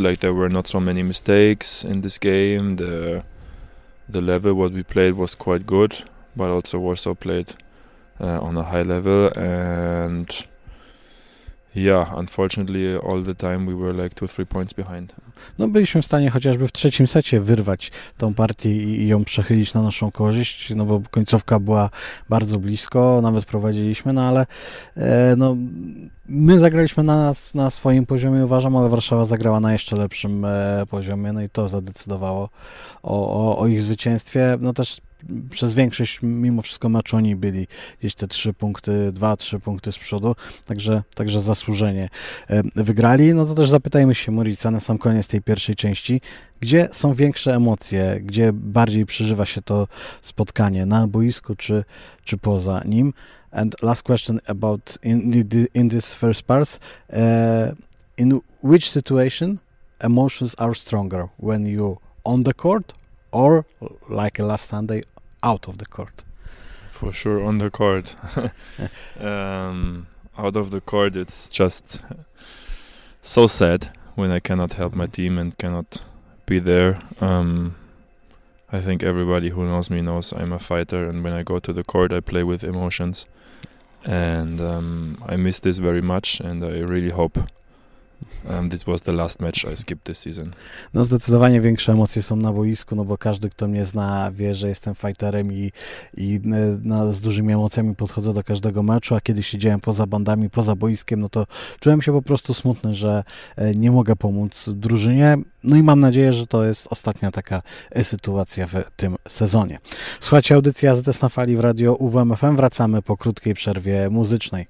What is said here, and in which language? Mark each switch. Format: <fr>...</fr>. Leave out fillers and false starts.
<en>Like, there were not so many mistakes in this game. The level what we played was quite good, but also Warsaw played on a high level. And yeah, unfortunately, all the time we were like 2-3 points behind.</en> <pl>No, byliśmy w stanie chociażby w trzecim secie wyrwać tą partię i ją przechylić na naszą korzyść, no bo końcówka była bardzo blisko, nawet prowadziliśmy, no ale no, my zagraliśmy na swoim poziomie, uważam, ale Warszawa zagrała na jeszcze lepszym poziomie, no i to zadecydowało o ich zwycięstwie. No też przez większość mimo wszystko meczu oni byli gdzieś te trzy punkty, dwa, trzy punkty z przodu, także zasłużenie wygrali. No to też zapytajmy się Morica na sam koniec tej pierwszej części, gdzie są większe emocje, gdzie bardziej przeżywa się to spotkanie, na boisku czy poza nim?</pl> <en>And last question about in this first part, in which situation emotions are stronger, when you on the court or like last Sunday out of the court? For sure on the court. Out of the court it's just so sad when I cannot help my team and cannot be there. I think everybody who knows me knows I'm a fighter, and when I go to the court I play with emotions, and I miss this very much, and I really hope this was the last match I skipped this season.</en> <pl>No zdecydowanie większe emocje są na boisku, no bo każdy, kto mnie zna, wie, że jestem fighterem i z dużymi emocjami podchodzę do każdego meczu, a kiedy siedziałem poza bandami, poza boiskiem, no to czułem się po prostu smutny, że nie mogę pomóc drużynie. No i mam nadzieję, że to jest ostatnia taka sytuacja w tym sezonie. Słuchajcie, audycja AZS na fali w radio UWM FM. Wracamy po krótkiej przerwie muzycznej.</pl>